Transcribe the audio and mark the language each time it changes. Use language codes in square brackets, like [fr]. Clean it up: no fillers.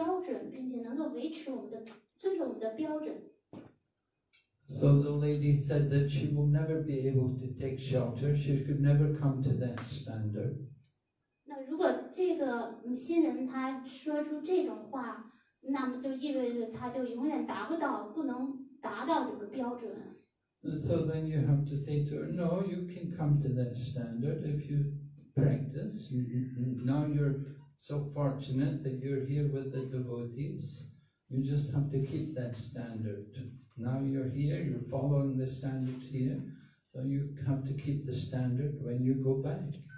[zh] 要来参加我们这个奉献者的聚会，因为我们是在庙宇当中进行的，有很多庙宇的活动，所以来参加这样活动的人呢，应该熟悉我们的标准，并且能够维持我们的遵守我们的标准。 [en] So the lady said that she will never be able to take shelter. She could never come to that standard. [zh] 那如果这个新人他说出这种话，那么就意味着他就永远达不到，不能达到这个标准。 [en] So then you have to say to her, "No, you can come to that standard if you practice. Now you're so fortunate that you're here with the devotees. You just have to keep that standard." Now you're here, you're following the standard here, so you have to keep the standard when you go back.